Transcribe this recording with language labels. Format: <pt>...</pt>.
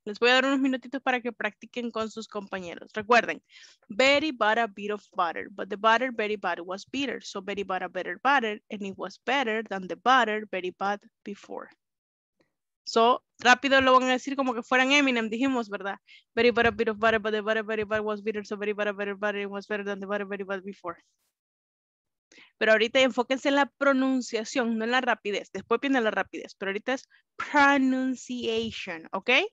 <es>Les voy a dar unos minutitos para que practiquen con sus compañeros.</es> <en>Recuerden, Betty bought a bit of butter, but the butter Betty bought was bitter. So Betty bought a better butter and it was better than the butter Betty bought before.</en> <es>So, rápido lo van a decir como que fueran Eminem, dijimos, ¿verdad?</es> <en>Betty bought a bit of butter, but the butter Betty bought was bitter. So Betty bought a better butter and it was better than the butter Betty bought before.</en> <es>Pero ahorita enfóquense en la pronunciación, no en la rapidez. Después viene la rapidez, pero ahorita es pronunciation, ¿ok?</es>